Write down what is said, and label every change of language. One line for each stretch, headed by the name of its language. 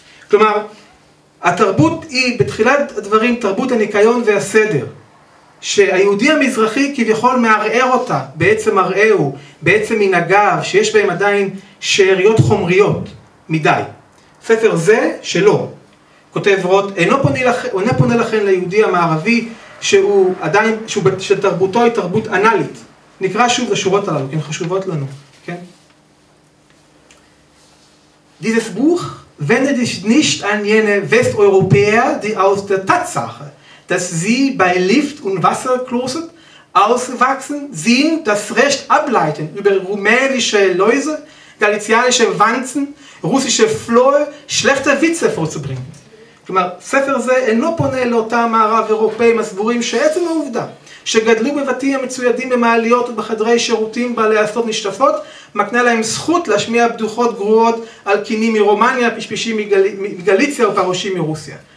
Hebrew: כלומר, התרבות היא בתחילת הדברים תרבות הניקיון והסדר, שהיהודי המזרחי כביכול מערער אותה, בעצם מראהו, בעצם מנהגיו, שיש בהם עדיין שאריות חומריות מדי. ספר זה שלו, כותב רוט, אינו פונה לכן ליהודי המערבי שהוא עדיין, שתרבותו היא תרבות אנלית. נקרא שוב לשורות הללו, כן, חשובות לנו, כן?
German: Dieses Buch wendet sich nicht an jene Westeuropäer, die aus der Tatsache, dass sie bei Lift- und Wasserkloset ausgewachsen sind, das Recht ableiten über rumänische Läuse, galizianische Wanzen, russische Flöhe, schlechte Witze vorzubringen.
Hebrew: כלומר, ספר זה אינו פונה לאותם מערב אירופאים הסבורים שעצם העובדה שגדלו בבתים המצוידים במעליות ובחדרי שירותים בעלי אסתות נשטפות, מקנה להם זכות להשמיע בדוחות גרועות על קינים מרומניה, פשפשים מגליציה ופרושים מרוסיה.